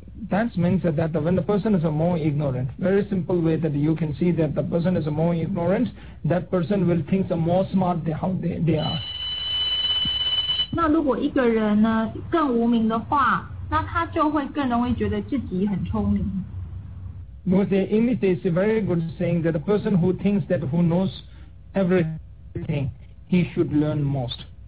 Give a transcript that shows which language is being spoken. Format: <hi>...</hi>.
<en>that means that when the person is a more ignorant, very simple way that you can see that the person is a more ignorant, that person will think the more smart they how they are.</en> <zh>那如果一个人呢更无名的话，那他就会更容易觉得自己很聪明。Because</zh> <en>the English is a very good saying that the person who thinks that who knows everything, he should learn most.</en>